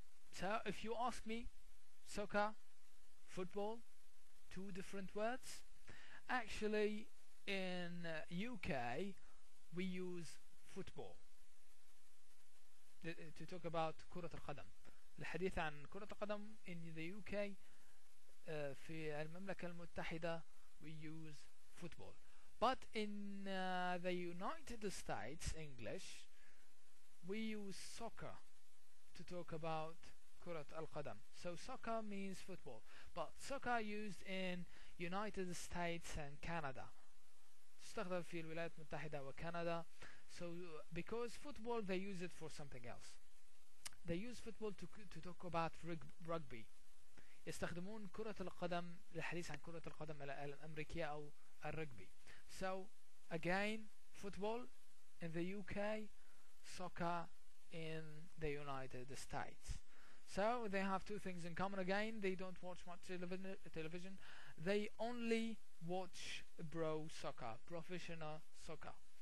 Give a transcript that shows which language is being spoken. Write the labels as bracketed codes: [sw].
[en] So, if you ask me, soccer, football, two different words. Actually, in UK, we use football to talk about [ar] كرة القدم. الحديث عن كرة القدم [en] in the UK, [ar] في المملكة المتحدة, [en] we use football. But in the United States English, we use soccer to talk about [ar] كرة القدم. [en] So soccer means football, but soccer used in United States and Canada. [ar] تستخدم في الولايات المتحدة وكندا. [en] So because football, they use it for something else. They use football to talk about rugby. [ar] يستخدمون كرة القدم للحديث عن كرة القدم الأمريكية أو الرجبي. [en] So again, football in the UK, soccer in the United States. So they have two things in common again. They don't watch much television. They only watch pro soccer, professional soccer.